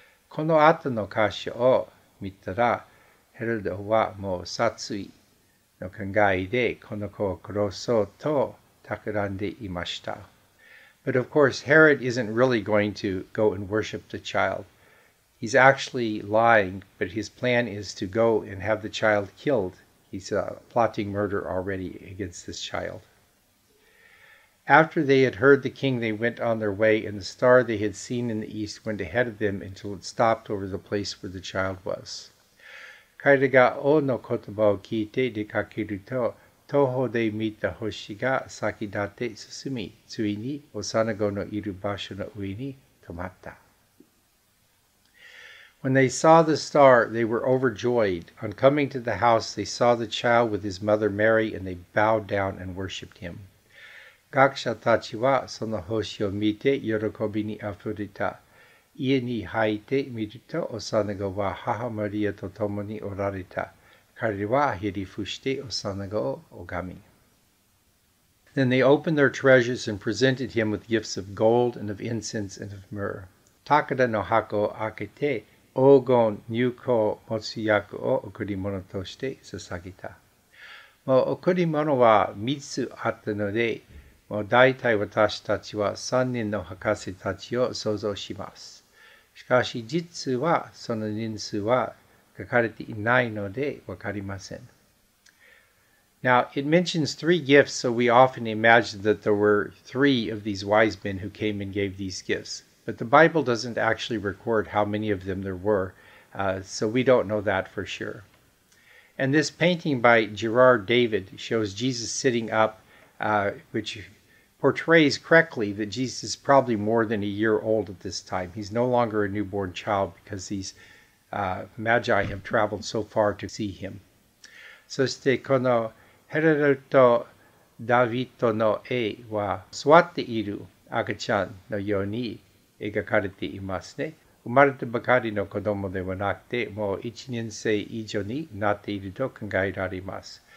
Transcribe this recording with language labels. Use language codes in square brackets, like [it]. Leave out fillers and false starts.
[ja] この後の歌詞を、見たらヘロデはもう殺意の考えでこの子を殺そうと企んでいました。 [en] But of course, Herod isn't really going to go and worship the child. He's actually lying, but his plan is to go and have the child killed. He's plotting murder already against this child. After they had heard the king, they went on their way, and the star they had seen in the east went ahead of them until it stopped over the place where the child was. [ja] 彼らが王の言葉を聞いて出かけると、東方で見た星が先立って進み、ついに幼子のいる場所の上に止まった。 [en] When they saw the star, they were overjoyed. On coming to the house, they saw the child with his mother Mary, and they bowed down and worshipped him. [ja] 学者たちはその星を見て喜びにあふれた。家に入ってみると、幼子は母マリアと共におられた。彼はひれ伏して幼子を拝み。 [en] Then they opened their treasures and presented him with gifts of gold and of incense and of myrrh. [ja] 高田の箱を開けて、黄金、乳香、もつ薬を贈り物として捧げた。もう贈り物は3つあったので、もう大体私たちは3人の博士たちを想像します。しかし実はその人数は書かれていないのでわかりません。 [en] Now, it mentions three gifts, so we often imagine that there were three of these wise men who came and gave these gifts. But the Bible doesn't actually record how many of them there were, so we don't know that for sure. And this painting by Gerard David shows Jesus sitting up, which portrays correctly that Jesus is probably more than a year old at this time. He's no longer a newborn child because these magi have traveled so far to see him. [ja] そしてこのヘラルとダビッドの絵は座っている赤ちゃんのように描かれていますね。生まれたばかりの子供ではなくて、もう1年生以上になっていると考えられます。